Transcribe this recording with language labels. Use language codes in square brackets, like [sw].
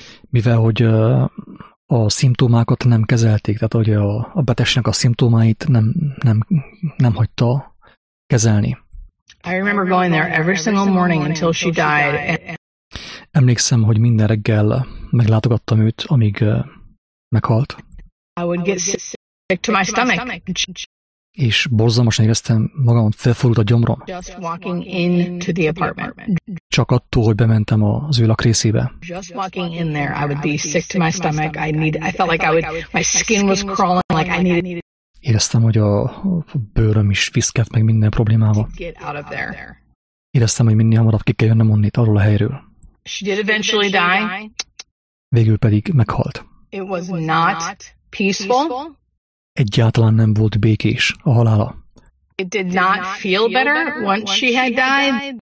[hu] Mivel hogy a szimptomákat nem kezelték, tehát hogy a betegségnek a szimptomáit nem hagyta kezelni. [en] I remember going there every single morning until she died. [hu] Emlékszem, hogy minden reggel meglátogattam őt, amíg meghalt. [en] I would get sick to my stomach. [hu] És borzalmasan éreztem magamon, felforult a gyomrom. [en] Just walking into the apartment. [hu] Csak attól, hogy bementem az ő lakrészébe. [en] Just walking in there, I would be sick to my stomach. I felt like I would, my skin was crawling, like I needed. [hu] Éreztem, hogy a bőröm is viszket meg minden problémával. [en] Get out of there. [hu] Éreztem, hogy minél hamarabb ki kell jönnöm onnét, arról a helyről. [en] She did eventually die. [hu] Végül pedig meghalt. [en] It was not peaceful. [hu] Egyáltalán nem volt békés a halála. [en] It did not feel better once she had died.